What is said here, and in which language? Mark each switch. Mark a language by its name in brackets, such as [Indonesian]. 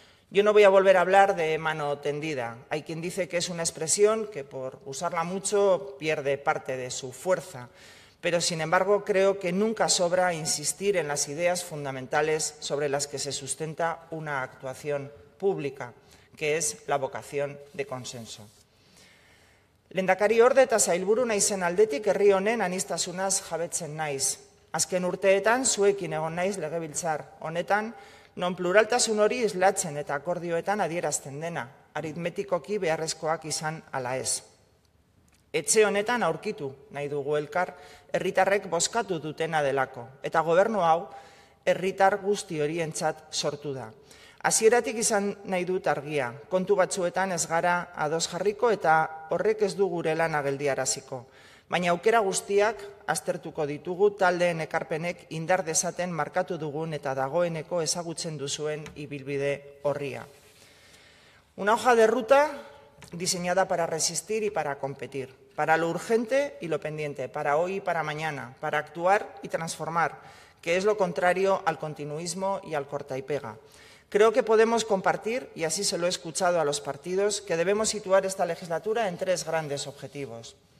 [Spanish] Yo no voy a volver a hablar de mano tendida. Hay quien dice que es una expresión que, por usarla mucho, pierde parte de su fuerza. Pero, sin embargo, creo que nunca sobra insistir en las ideas fundamentales sobre las que se sustenta una actuación pública, que es la vocación de consenso. [Basque] Lehendakari orde eta sailburu naizen aldetik herri honen anistasunaz jabetzen naiz. Azken urteetan, zuekin egon naiz legebiltzar honetan, non pluraltasun hori islatzen eta akordioetan adierazten dena, aritmetikoki beharrezkoak izan ala ez. Etxe honetan aurkitu nahi dugu elkar, herritarrek bozkatu dutena delako, eta gobernu hau herritar guzti horientzat sortu da. Hasieratik izan nahi dut argia, kontu batzuetan ez gara ados jarriko eta horrek ez du gure lana geldiaraziko. Baina aukera guztiak aztertuko ditugu taldeen ekarpenek indar dezaten markatu dugun eta dagoeneko ezagutzen duzuen ibilbide horria. [Spanish] Una hoja de ruta diseñada para resistir y para competir, para lo urgente y lo pendiente, para hoy y para mañana, para actuar y transformar, que es lo contrario al continuismo y al corta y pega. Creo que podemos compartir, y así se lo he escuchado a los partidos, que debemos situar esta legislatura en tres grandes objetivos.